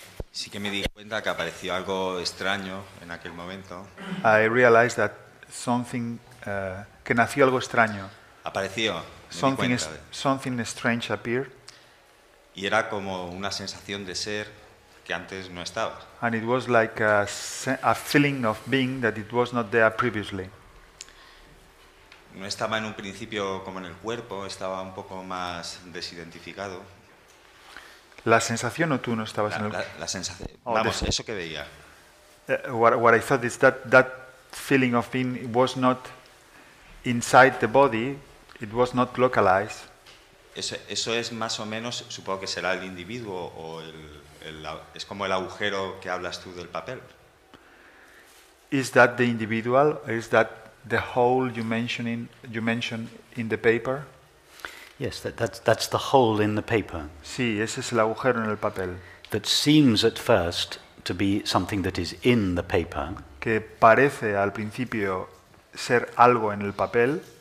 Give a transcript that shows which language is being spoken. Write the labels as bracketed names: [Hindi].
[Spanish] Sí que me di cuenta que apareció algo extraño en aquel momento. [English] I realized that something [Spanish] que nació algo extraño. Apareció. [English] Something strange appeared. [Spanish] Y era como una sensación de ser que antes no estaba. [English] And it was like a feeling of being that it was not there previously. [Spanish] No estaba en un principio como en el cuerpo, estaba un poco más desidentificado. La sensación o tú no estabas en el cuerpo. La sensación. Oh, vamos, eso que veía. [English] What I thought is that feeling of being was not inside the body. It was not localized. [Spanish] Eso es más o menos, supongo que será el individuo o es como el agujero que hablas tú del papel. [English] Is that the individual? Is that the hole you mentioned in the paper? Yes, that's the hole in the paper. [Spanish] Sí, ese es el agujero en el papel. [English] That seems at first to be something that is in the paper. [Spanish] Que parece al principio ser algo en el papel.